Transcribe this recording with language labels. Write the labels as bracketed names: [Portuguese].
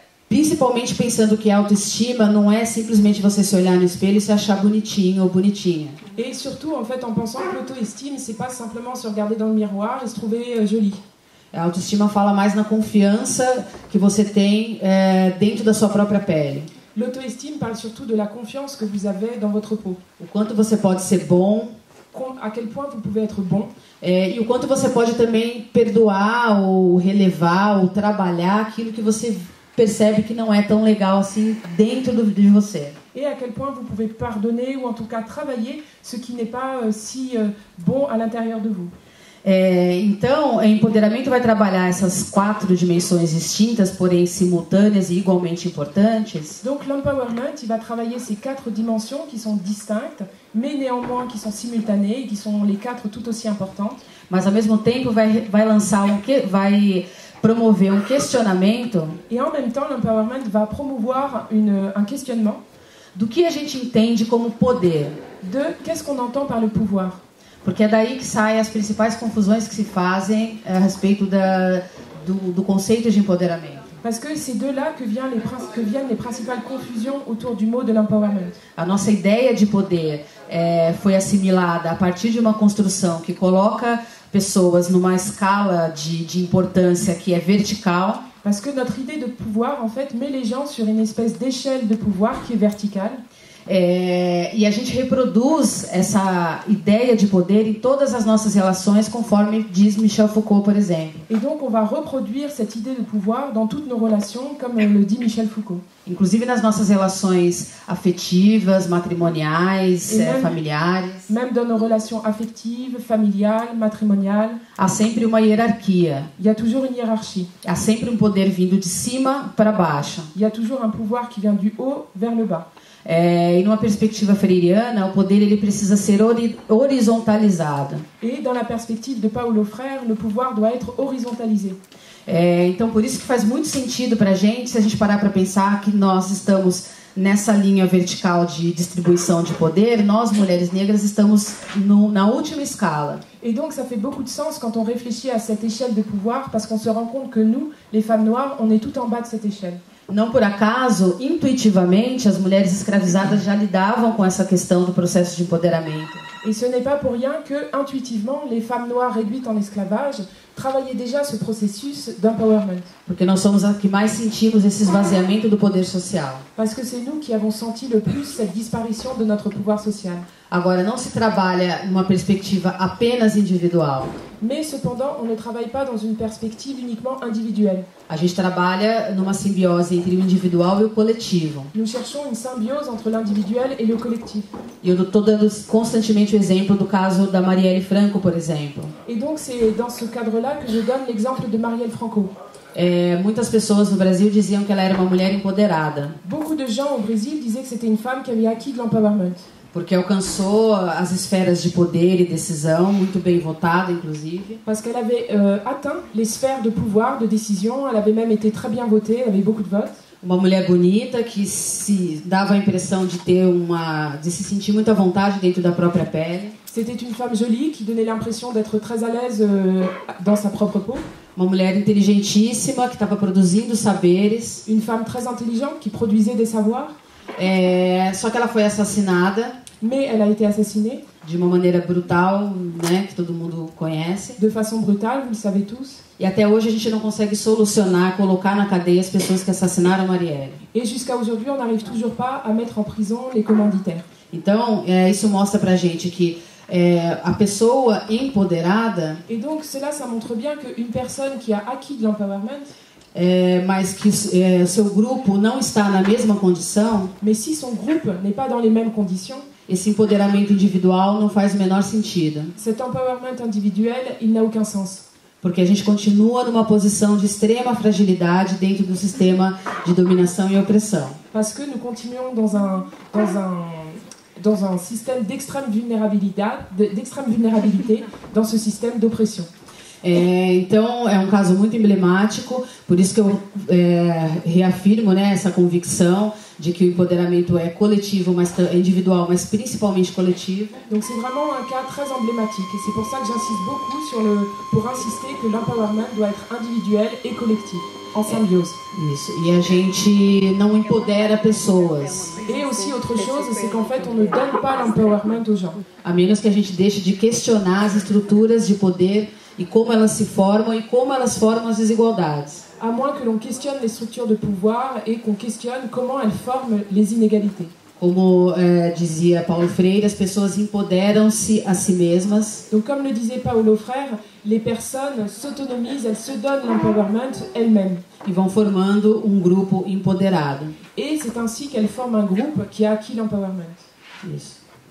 [Portuguese] Principalmente pensando que a autoestima não é simplesmente você se olhar no espelho e se achar bonitinho ou bonitinha. E, sobretudo, [French] en fait, en pensant que l'autoestime, c'est pas simplement se regarder dans le miroir et se trouver jolie. [Portuguese] A autoestima fala mais na confiança que você tem dentro da sua própria pele. [French] L'autoestime parle surtout de la confiance que vous avez dans votre peau. [Portuguese] O quanto você pode ser bom. [French] À quel point vous pouvez être bon. [Portuguese] E o quanto você pode também perdoar ou relevar ou trabalhar aquilo que você percebe que não é tão legal assim dentro de você. [French] E a quel point vous pouvez pardonner ou en tout cas travailler ce qui n'est pas si bon à l'intérieur de vous. [Portuguese] Então, o empoderamento vai trabalhar essas quatro dimensões distintas, porém simultâneas e igualmente importantes. [French] Donc l'empowerment, il va travailler ces quatre dimensions qui sont distinctes, mais néanmoins qui sont simultanées et qui sont les quatre tout aussi importantes. [Portuguese] Mas ao mesmo tempo vai lançar promover um questionamento. E ao mesmo tempo, l'empowerment vai promover um questionnement do que a gente entende como poder. [French] De qu'est-ce qu'on entend par le pouvoir? [Portuguese] Porque é daí que saem as principais confusões que se fazem a respeito do conceito de empoderamento. [French] Parce que c'est de là que viennent les principales confusions autour du mot de l'empowerment. [Portuguese] A nossa ideia de poder foi assimilada a partir de uma construção que coloca pessoas numa escala de importância que é vertical. [French] Parce que notre idée de pouvoir en fait met les gens sur une espèce d'échelle de pouvoir qui est verticale. [Portuguese] E a gente reproduz essa ideia de poder em todas as nossas relações, conforme diz Michel Foucault, por exemplo. [French] E donc on va reproduire cette idée de pouvoir dans toutes nos relations, comme le dit Michel Foucault. [Portuguese] Inclusive nas nossas relações afetivas, matrimoniais, familiares. [French] Même dans nos relations affectives, familiales, matrimoniales. [Portuguese] Há sempre uma hierarquia. [French] Il y a toujours une hiérarchie. [Portuguese] Há sempre um poder vindo de cima para baixo. [French] Il y a toujours un pouvoir qui vient du haut vers le bas. [Portuguese] E numa perspectiva freiriana, o poder ele precisa ser horizontalizado. [French] Et dans la perspective de Paulo Freire, le pouvoir doit être horizontalisé. [Portuguese] Então por isso que faz muito sentido para a gente, se a gente parar para pensar que nós estamos nessa linha vertical de distribuição de poder, nós mulheres negras estamos no, na última escala. [French] Et donc ça fait beaucoup de sens quand on réfléchit à cette échelle de pouvoir, parce qu'on se rend compte que nous, les femmes noires, on est tout en bas de cette échelle. [Portuguese] Não por acaso, intuitivamente, as mulheres escravizadas já lidavam com essa questão do processo de empoderamento. [French] Et ce n'est pas pour rien que intuitivement les femmes noires réduites en esclavage travaillaient déjà ce processus d'empowerment. [Portuguese] Porque nós somos as que mais sentimos esse esvaziamento do poder social. [French] Parce que c'est nous qui avons senti le plus cette disparition de notre pouvoir social. [Portuguese] Agora não se trabalha numa perspectiva apenas individual. [French] Mais cependant, on ne travaille pas dans une perspective uniquement individuelle. [Portuguese] A gente trabalha numa simbiose entre o individual e o coletivo. [French] Nous cherchons une symbiose entre l'individuel et le collectif. [Portuguese] E eu estou dando constantemente o exemplo do caso da Marielle Franco, por exemplo. [French] Et donc c'est dans ce cadre-là que je donne l'exemple de Marielle Franco. [Portuguese] Muitas pessoas no Brasil diziam que ela era uma mulher empoderada. [French] Beaucoup de gens au Brésil disaient que c'était une femme qui avait acquis de l'empowerment. [Portuguese] Porque alcançou as esferas de poder e decisão, muito bem votada, inclusive. [French] Parce qu'elle avait atteint les sphères de pouvoir, de décision, elle avait même été très bien votée, avait beaucoup de votes. [Portuguese] Uma mulher bonita que se dava a impressão de ter uma de se sentir muito à vontade dentro da própria pele. [French] C'était une femme jolie qui donnait l'impression d'être très à l'aise dans sa propre peau. [Portuguese] Uma mulher inteligentíssima que estava produzindo saberes. [French] Une femme très intelligente qui produisait des savoirs. [Portuguese] Só que ela foi assassinada. [French] Mais elle a été assassinée. [Portuguese] De uma maneira brutal, né, que todo mundo conhece. [French] De façon brutale, vous le savez tous. [Portuguese] E até hoje a gente não consegue solucionar, colocar na cadeia as pessoas que assassinaram Marielle. [French] Et jusqu'à aujourd'hui, on n'arrive toujours pas à mettre en prison les commanditaires. [Portuguese] Então, isso mostra pra gente que a pessoa empoderada. [French] Et donc, cela, ça montre bien qu'une personne qui a acquis de l'empowerment. [Portuguese] Mas que seu grupo não está na mesma condição. [French] Mais si son groupe n'est pas dans les mêmes conditions. [Portuguese] Esse empoderamento individual não faz o menor sentido. [French] Cet empowerment individuel, il n'a aucun sens. [Portuguese] Porque a gente continua numa posição de extrema fragilidade dentro do sistema de dominação e opressão. [French] Parce que nous continuons dans un système d'extrême vulnérabilité dans ce système d'oppression. [Portuguese] Então é um caso muito emblemático, por isso que eu reafirmo, né, essa convicção de que o empoderamento é coletivo, mas individual, mas principalmente coletivo. [French] Donc c'est vraiment un cas très emblématique et c'est pour ça que j'insiste beaucoup pour insister que l'empowerment doit être individuel et collectif, en symbiose. [Portuguese] Isso. E a gente não empodera pessoas. [French] Et aussi autre chose, c'est qu'en fait on ne donne pas l'empowerment aux gens. [Portuguese] A menos que a gente deixe de questionar as estruturas de poder e como elas se formam e como elas formam as desigualdades. [French] À moins que l'on questionne les structures de pouvoir et qu'on questionne comment elles forment les inégalités. [Portuguese] Como dizia Paulo Freire, as pessoas empoderam-se a si mesmas. [French] Donc comme le disait Paulo Freire, les personnes s'autonomisent, elles se donnent l'empowerment elles-mêmes. [Portuguese] E vão formando um grupo empoderado. [French] Et c'est ainsi qu'elles forment un groupe qui a acquis l'empowerment. [Portuguese] Isso.